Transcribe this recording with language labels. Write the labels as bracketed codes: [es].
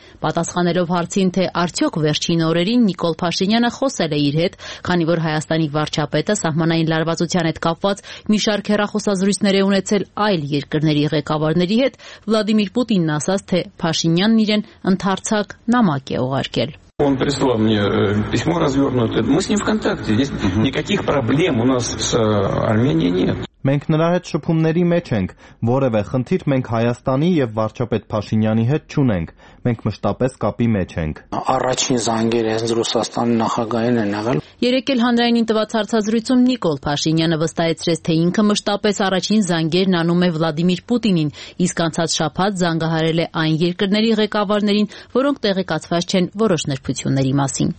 [hy] պատասխանելով հարցին, թե արդյոք վերջին օրերին Նիկոլ Փաշինյանը խոսել է իր հետ, քանի որ Հայաստանի վարչապետը սահմանային լարվածության հետ կապված մի շարք հեռախոսազրույցներ ունեցել այլ երկրների ղեկավարների հետ, Վլադիմիր Պուտինն ասաց, թե Փաշինյանն իրեն ընդարձակ նամակ է ուղարկել։ [ru] Он прислал мне письмо развернутое. Мы с ним в контакте. Здесь никаких проблем у нас с Арменией нет. [hy] Մենք նրա հետ շփումների մեջ ենք, որևէ խնդիր մենք Հայաստանի եւ վարչապետ Փաշինյանի հետ չունենք, մենք մշտապես կապի մեջ ենք։ Առաջին զանգերը հենց Ռուսաստանի նախագահին են եղել։ Երեկել հանրայինին տված հարցազրույցում Նիկոլ Փաշինյանը վստահեցրեց, թե ինքը մշտապես առաջին զանգերն անում է Վլադիմիր Պուտինին, իսկ անցած շաբաթ զանգահարել է այն երկրների ղեկավարներին, որոնք տեղեկացված չեն որոշ ներփությունների մասին։